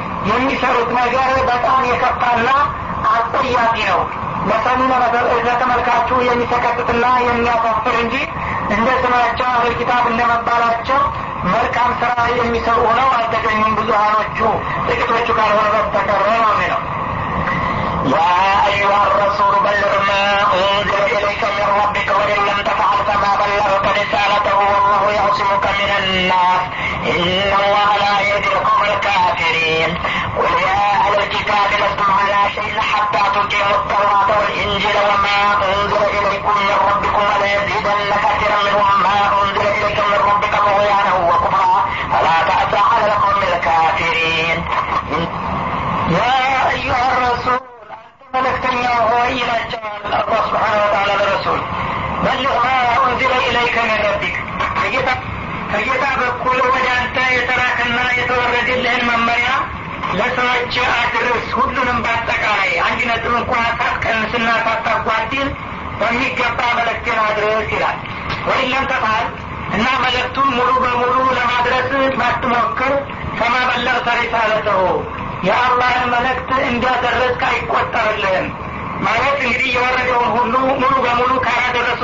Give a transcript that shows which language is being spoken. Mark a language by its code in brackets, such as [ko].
[am] የሚሰሩት ነገር በጣም የከፋና አስጠያቂ ነው። መሰሉና ለተመልካቹ የሚሰቀጥትና የሚያሳፍር እንጂ እንደ ስማቸው አለል ኪታብ እንደመባላቸው መልካም ስራ የሚሰሩ ሆነው አልተገኙም። ብዙሃኖቹ ጥቂቶቹ ካልሆነ በስተቀር ነው የሚለው። [ar] يا أيها الرسول بلغ ما أنزل إليك من ربك وإن لم تفعل فما بلغت رسالته والله يعصمك من الناس إن الله لا يهدي القوم الكافرين. قل يا أهل الكتاب لستم على شيء حتى تقيموا التوراة والإنجيل وما أنزل إليكم من ربكم ولا يزيدن كثيرا منهم ما أنزل إليك من ربك طغيانا وكفرا فلا تأس على القوم الكافرين. يا أيها الرسول [am] መልእክተኛ ሆይ ይላቸዋል አላህ ሱብሓነሁ ወተዓላ ለረሱል፣ [ar] በልህ ማ አንዝለ ኢለይከ ሚን ረቢክ [am] ከጌታ በኩል ወደ አንተ የተላከና የተወረደልህን መመሪያ ለሰዎች አድርስ። ሁሉንም በአጠቃላይ አንድ ነጥብ እንኳን አታስቀንስና አታስተጓጉል፣ በሚገባ መልእክትን አድርስ ይላል። [ar] ወይለም ተፋል [am] እና መልእክቱን ሙሉ በሙሉ ለማድረስ ባትሞክር [ar] ከማ በለቅተ ሪሳለተሁ [am] የአላህን መልእክት እንዲያደረስክ አይቆጠርልህም። ማለት እንግዲህ የወረደውን ሁሉ ሙሉ በሙሉ ካላደረሱ